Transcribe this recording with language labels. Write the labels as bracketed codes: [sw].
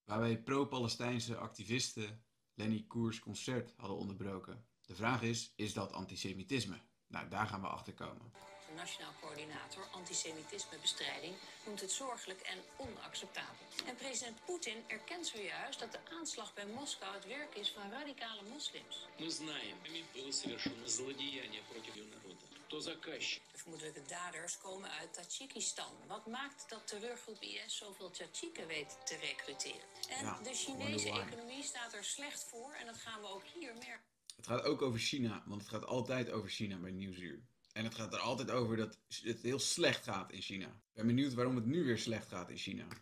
[nl] Waarbij pro-Palestijnse activisten Lenny Koers concert hadden onderbroken. De vraag is dat antisemitisme? Nou, daar gaan we achter komen. De Nationaal Coördinator Antisemitismebestrijding noemt het zorgelijk en onacceptabel. En president Poetin erkent zojuist dat de aanslag bij Moskou het werk is van radicale moslims. [ru] We знаем, было совершено злодеяние против народа. Кто заказчик? [nl] De vermoedelijke daders komen uit Tajikistan. Wat maakt dat terreurgroep IS zoveel Tajiken weet te recruteren? En ja, de Chinese economie staat er slecht voor en dat gaan we ook hier merken. Het gaat ook over China, want het gaat altijd over China bij Nieuwsuur. En het gaat er altijd over dat het heel slecht gaat in China. Ik ben benieuwd waarom het nu weer slecht gaat in China.